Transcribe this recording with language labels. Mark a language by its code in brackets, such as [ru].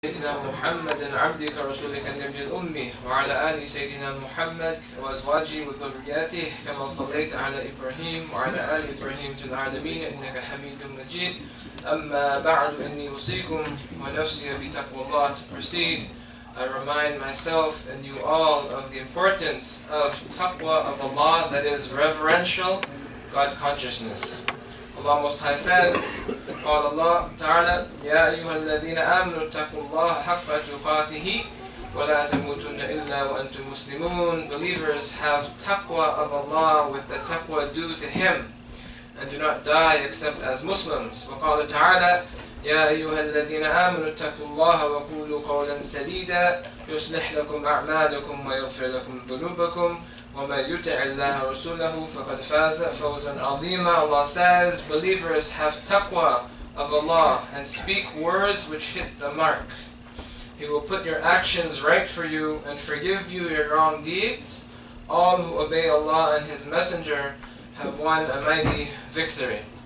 [ar] سيدنا محمد عبدك رسولك النبي الأمي وعلى آل سيدنا محمد وأزواجه وذرياته كما صليت على إبراهيم وعلى آل إبراهيم في العالمين إنك حميد مجيد أما بعد إني أوصيكم ونفسي بتقوى الله [en] proceed. I remind myself and you all of the importance of taqwa of Allah, that is reverential God consciousness. Allah Most High says, [ar] قال الله تعالى يا أيها الذين آمنوا اتقوا الله حق تقاته ولا تموتن إلا وأنتم مسلمون. [en] Believers, have taqwa of Allah with the taqwa due to Him, and do not die except as Muslims. [ar] وقال تعالى يا أيها الذين آمنوا اتقوا الله وقولوا قولا سديدا يصلح لكم أعمالكم ويغفر لكم ذنوبكم وَمَا يُتَعِ اللَّهَ رَسُولَهُ فَقَدْ فَازَ فَوْزًا عَظِيمًا. [en] Allah says, believers, have taqwa of Allah and speak words which hit the mark. He will put your actions right for you and forgive you your wrong deeds. All who obey Allah and His Messenger have won a mighty victory.